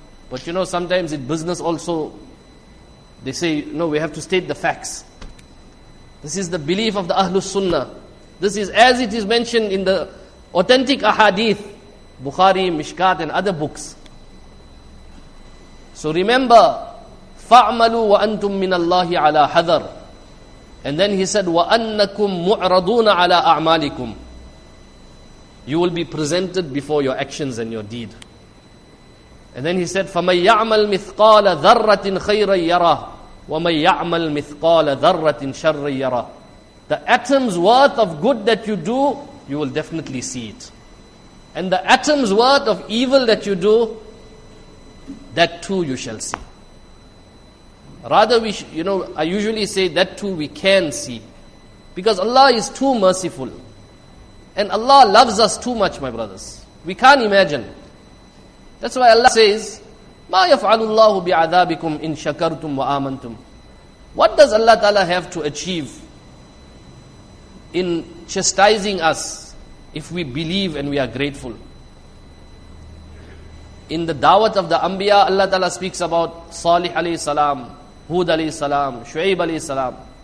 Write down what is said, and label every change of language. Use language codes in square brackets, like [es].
[en] But you know, sometimes in business also, they say, no, we have to state the facts. This is the belief of the Ahlus Sunnah. This is as it is mentioned in the authentic ahadith, Bukhari, Mishkat and other books. So remember, [ar] فَعْمَلُوا وَأَنْتُمْ مِنَ اللَّهِ عَلَىٰ حَذَرٍ. [en] And then he said, [ar] وَأَنَّكُمْ مُعْرَضُونَ عَلَىٰ أَعْمَالِكُمْ. [en] You will be presented before your actions and your deed. And then he said, [ar] فَمَنْ يَعْمَلْ مِثْقَالَ ذَرَّةٍ خَيْرًا يَرَهُ وَمَنْ يَعْمَلْ مِثْقَالَ ذَرَّةٍ شَرًّا يَرَهُ. [en] The atom's worth of good that you do, you will definitely see it. And the atom's worth of evil that you do, that too you shall see. Rather, I usually say that too we can see. Because Allah is too merciful. And Allah loves us too much, my brothers. We can't imagine. That's why Allah says, [ar] مَا يَفْعَلُ اللَّهُ بِعَذَابِكُمْ إِن شَكَرْتُمْ وَآمَنْتُمْ. [en] What does Allah Ta'ala have to achieve in chastising us if we believe and we are grateful? In the Dawat of the Anbiya, Allah Ta'ala speaks about Salih alayhi salam, Hud alayhi salam, Shu'ayb alayhi salam.